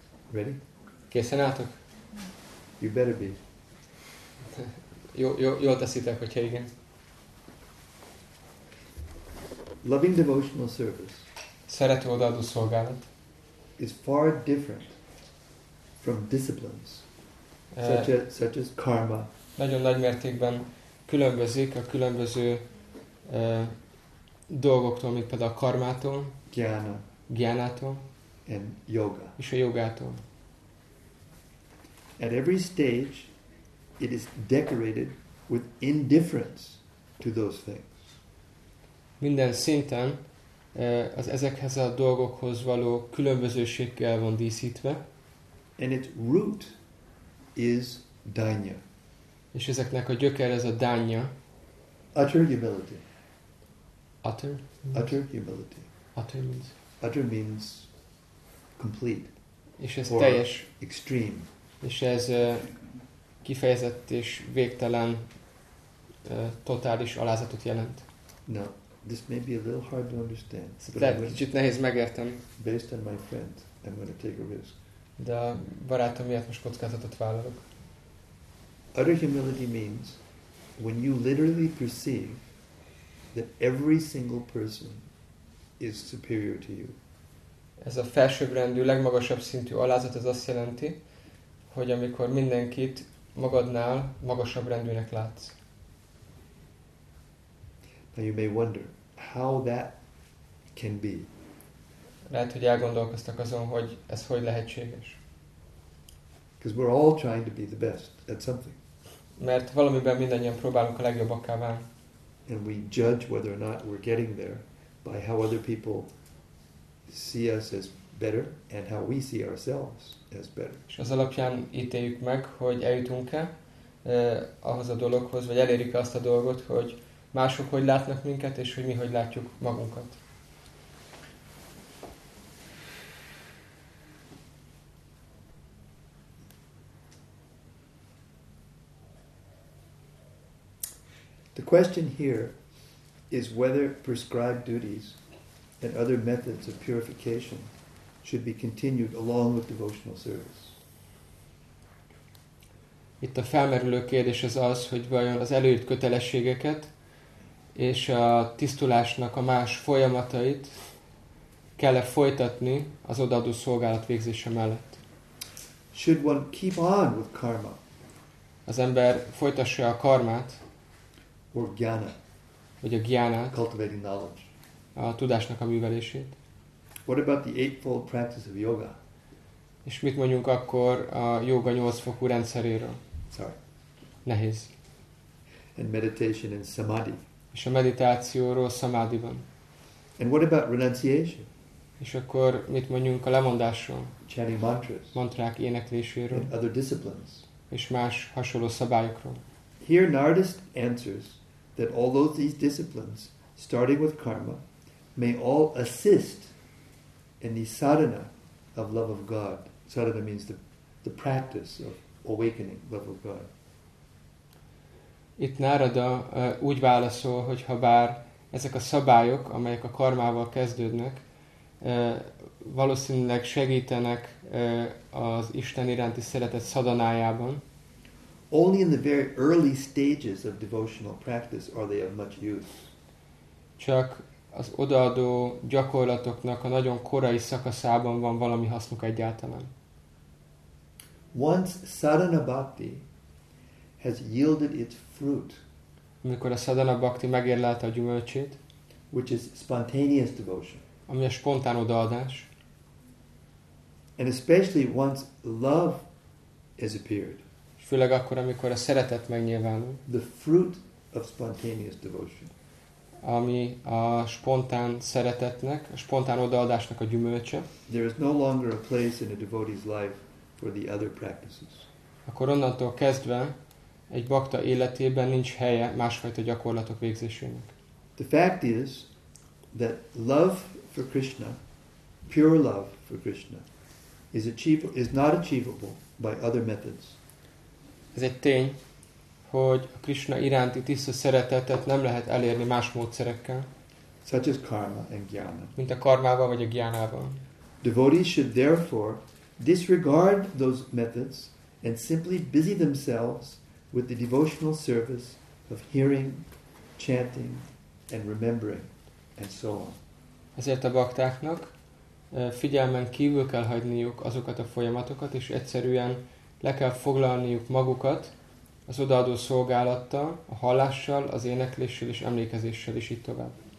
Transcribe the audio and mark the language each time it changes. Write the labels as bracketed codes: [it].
[en] Ready? [hu] Készen álltok? [en] You better be. [hu] Jól teszitek, hogyha igen. [en] Loving devotional service. [hu] Szerető odaadó szolgálat. [en] Is far different from disciplines such as karma. [hu] Nagyon nagy mértékben különbözik a különböző dolgoktól, mint például a karmától, gyánától, [en] and yoga. [hu] És a jogától. [en] At every stage, it is decorated with indifference to those things. [hu] Minden szinten az ezekhez a dolgokhoz való különbözőséggel van díszítve. [en] And its root is dánya. [hu] És ezeknek a gyökere ez a dánya. [en] Utter humility. Utter? Utter humility. Utter means complete. [hu] És ez teljes. [en] Extreme. [hu] És ez kifejezett és végtelen totális alázatot jelent. [en] No. This may be a little hard to understand. [hu] Kicsit nehéz megérteni. [en] Based on my friend, I'm going to take a risk. [hu] De a barátom miatt most kockázatot vállalok. [en] Utter humility means when you literally perceive that every single person is superior to you. [hu] Ez a felsőbbrendű, legmagasabb szintű alázat, ez azt jelenti, hogy amikor mindenkit magadnál magasabb rendűnek látsz. [en] Now you may wonder how that can be. [hu] Lehet, hogy elgondolkoztak azon, hogy ez hogy lehetséges. [en] Because we're all trying to be the best at something. [hu] Mert valamiben mindannyian próbálunk a legjobbakká válni. [en] And we judge whether or not we're getting there by how other people see us as better and how we see ourselves as better. [hu] És az alapján ítéljük meg, hogy eljutunk-e ahhoz a dologhoz, vagy elérjük-e azt a dolgot, hogy mások hogy látnak minket, és hogy mi hogy látjuk magunkat. [en] The question here is whether prescribed duties and other methods of purification should be continued along with devotional service. [hu] Itt a felmerülő kérdés az az, hogy vajon az előírt kötelességeket és a tisztulásnak a más folyamatait kell-e folytatni az odaadó szolgálat végzése mellett. [en] Should one keep on with karma? [hu] Az ember folytassa a karmát, [en] or jnana, [hu] vagy a jnanát, [en] cultivating knowledge, [hu] a tudásnak a művelését. [en] What about the eightfold practice of yoga? [hu] És mit mondjunk akkor a jóga 8 fokú rendszeréről? [en] Sorry. [hu] Nehéz. [en] And meditation and samadhi. [hu] És a meditációról szamádiban. [en] And what about renunciation? [hu] És akkor mit mondjunk a lemondásról? [en] Chanting mantras. [hu] Mantrák énekléséről. [en] And other disciplines. [hu] És más hasonló szabályokról. [en] Here Narada answers that although these disciplines, starting with karma, may all assist in the sadhana of love of God. Sadhana means the practice of awakening love of God. [hu] Itt Narada úgy válaszol, hogy ha bár ezek a szabályok, amelyek a karmával kezdődnek, valószínűleg segítenek az Isten iránti szeretet szadanájában. [en] Only in the very early stages of devotional practice are they of much use. [hu] Csak az odaadó gyakorlatoknak a nagyon korai szakaszában van valami hasznuk egyáltalán. [en] Once sadhana bhakti has yielded its fruit, [hu] amikor a sadhana bhakti megérlelte a gyümölcsét, [en] which is spontaneous devotion, [hu] ami a spontán odaadás, [en] and especially once love has appeared, [hu] főleg akkor, amikor a szeretet megnyilvánul, [en] the fruit of spontaneous devotion, [hu] ami a spontán szeretetnek, a spontán odaadásnak a gyümölcse, [en] there is no longer a place in a devotee's life for the other practices. [hu] Akkor onnantól kezdve egy bhakta életében nincs helye másfajta gyakorlatok végzésének. [en] The fact is that love for Krishna, pure love for Krishna, is not achievable by other methods. [hu] Ez egy tény, hogy a Krishna iránti tiszta szeretetet nem lehet elérni más módszerekkel, [en] such as karma and jnana, [hu] mint a karmával vagy a jnanával. [en] Devotees should therefore disregard those methods and simply busy themselves with the devotional service of hearing, chanting, and remembering, and so on. [hu] Ezért a baktáknak figyelmen kívül kell hagyniuk azokat a folyamatokat, és egyszerűen le kell foglalniuk magukat az odaadó szolgálattal, a hallással, az énekléssel és emlékezéssel is így tovább.